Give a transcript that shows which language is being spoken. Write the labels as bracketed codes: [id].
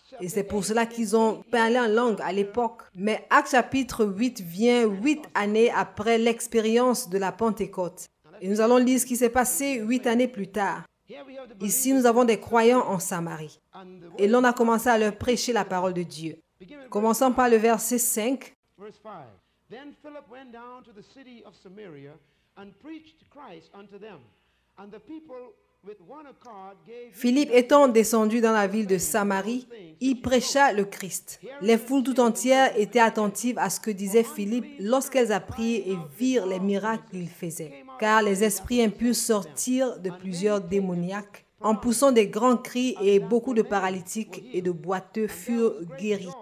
[fr] Et c'est pour cela qu'ils ont parlé en langue à l'époque. Mais Actes chapitre 8 vient 8 années après l'expérience de la Pentecôte. Et nous allons lire ce qui s'est passé 8 années plus tard. Ici, nous avons des croyants en Samarie. Et l'on a commencé à leur prêcher la parole de Dieu. Commençons par le verset 5. [en] Then Philip went down to the city of Samaria and preached Christ unto them. And the people with one accord gave. [fr] Philippe étant descendu dans la ville de Samarie, il prêcha le Christ. Les foules tout entières étaient attentives à ce que disait Philippe lorsqu'elles apprirent et virent les miracles qu'il faisait. Car les esprits impurs sortirent de plusieurs démoniaques en poussant des grands cris et beaucoup de paralytiques et de boiteux furent guéris.